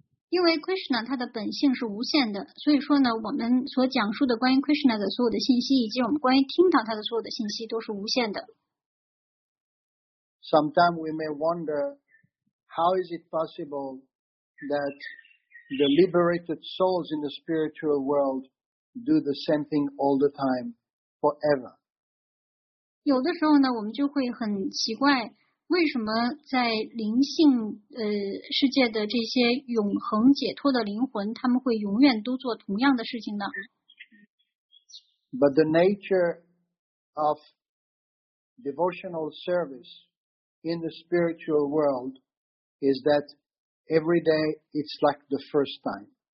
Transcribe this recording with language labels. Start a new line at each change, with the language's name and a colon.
Chinese: 因为 Krishna 它的本性是无限的，所以说呢，我们所讲述的关于 Krishna 的所有的信息，以及我们关于听到它的所有的信息，都是无限的。
English: Sometimes we may wonder, how is it possible that the liberated souls in the spiritual world do the same thing all the time, forever.
Chinese: 有的时候呢，我们就会很奇怪，为什么在灵性世界的这些永恒解脱的灵魂，他们会永远都做同样的事情呢？
English: But the nature of devotional service in the spiritual world is that every day, it's like the first time.